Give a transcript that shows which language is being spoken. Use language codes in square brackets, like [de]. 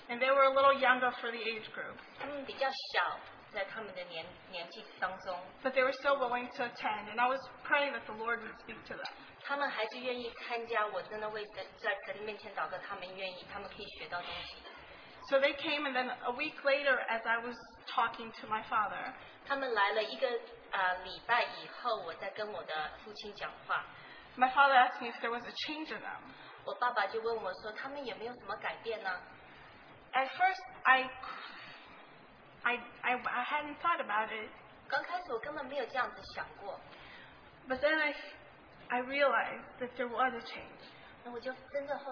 [en] and they were a little younger for the age group. [zh] 他们比较小, 在他们的年纪当中, [en] but they were still willing to attend, and I was praying that the Lord would speak to them. [zh] 他们还是愿意参加, 我真的为在他们面前祷告,他们愿意, 他们可以学到东西。 [en] So they came, and then a week later, as I was talking to my father, [zh] 他们来了一个礼拜以后，我在跟我的父亲讲话。 [en] My father asked me if there was a change in them. [zh] 我爸爸就问我说，他们有没有什么改变呢？ [en] At first, I hadn't thought about it. [zh] 刚开始我根本没有这样子想过。 [en] But then I realized that there was a change.